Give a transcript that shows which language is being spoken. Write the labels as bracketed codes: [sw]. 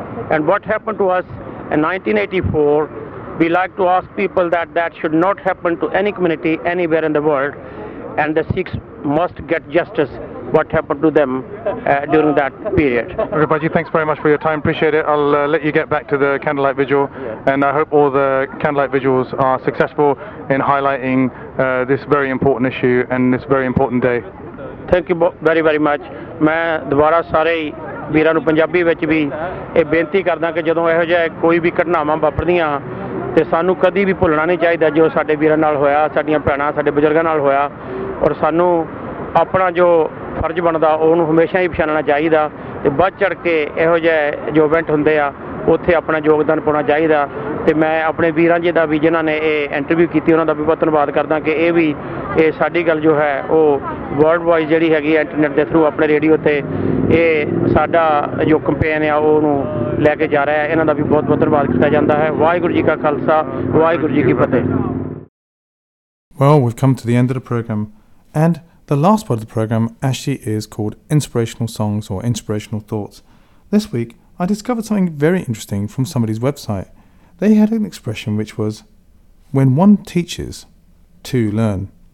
[en] And what happened to us in 1984, we like to ask people that that should not happen to any community anywhere in the world, and the Sikhs must get justice what happened to them during that period. Rupaji, thanks very much for your time. Appreciate it. I'll let you get back to the candlelight vigil. Yes. And I hope all the candlelight vigils are successful in highlighting this very important issue and this very important day. Thank you very, very much. [pa] Main dobara sare veeran nu Punjabi vich vi eh benti karda ke jadon eh ho jaye koi vi ghatnaavan vapardiyan te sanu kadi vi bhullna nahi chahida jo sade veeran naal hoya, sadiyan bhenaan, sade buzurgan naal hoya, aur sanu ਆਪਣਾ ਜੋ ਫਰਜ਼ ਬਣਦਾ ਉਹਨੂੰ ਹਮੇਸ਼ਾ ਹੀ ਪਛਾਣਨਾ ਚਾਹੀਦਾ ਅਤੇ ਵੱਧ ਚੜ੍ਹ ਕੇ ਇਹੋ ਜਿਹੇ ਜੋ ਇਵੈਂਟ ਹੁੰਦੇ ਆ ਉੱਥੇ ਆਪਣਾ ਯੋਗਦਾਨ ਪਾਉਣਾ ਚਾਹੀਦਾ ਅਤੇ ਮੈਂ ਆਪਣੇ ਵੀਰਾਂ ਜੀ ਦਾ ਵੀ ਜਿਨ੍ਹਾਂ ਨੇ ਇਹ ਇੰਟਰਵਿਊ ਕੀਤੀ ਉਹਨਾਂ ਦਾ ਵੀ ਬਹੁਤ ਧੰਨਵਾਦ ਕਰਦਾ ਕਿ ਇਹ ਵੀ ਇਹ ਸਾਡੀ ਗੱਲ ਜੋ ਹੈ ਉਹ ਵਰਲਡ ਵਾਈਜ਼ ਜਿਹੜੀ ਹੈਗੀ ਇੰਟਰਨੈਟ ਦੇ ਥਰੂ ਆਪਣੇ ਰੇਡੀਓ 'ਤੇ ਇਹ ਸਾਡਾ ਜੋ ਕੰਪੇਨ ਆ ਉਹਨੂੰ ਲੈ ਕੇ ਜਾ ਰਿਹਾ ਇਹਨਾਂ ਦਾ ਵੀ ਬਹੁਤ ਬਹੁਤ ਧੰਨਵਾਦ ਕੀਤਾ ਜਾਂਦਾ ਹੈ ਵਾਹਿਗੁਰੂ ਜੀ ਕਾ ਖਾਲਸਾ ਵਾਹਿਗੁਰੂ ਜੀ ਕੀ ਫਤਿਹ [en] Well, we've come to the end of the program and the last part of the program actually is called Inspirational Songs or Inspirational Thoughts. This week, I discovered something very interesting from somebody's website. They had an expression which was, when one teaches, two learn.